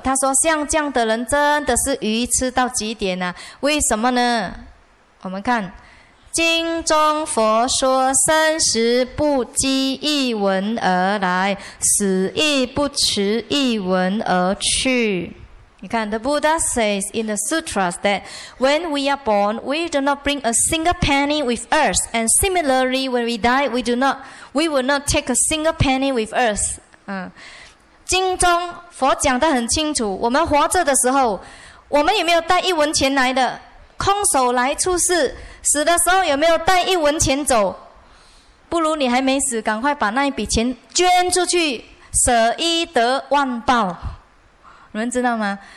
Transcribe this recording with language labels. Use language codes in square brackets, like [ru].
[zh] 他说像这样的人真的是愚痴到极点啊。为什么呢？我们看经中佛说，生时不积一文而来，死亦不持一文而去。你看 [en] The Buddha says in the sutras that when we are born, we do not bring a single penny with us. And similarly, when we die, we will not take a single penny with us. [zh] 经中佛讲得很清楚，我们活着的时候，我们有没有带一文钱来的？空手来出世，死的时候有没有带一文钱走？不如你还没死，赶快把那一笔钱捐出去，舍一得万报。你们知道吗？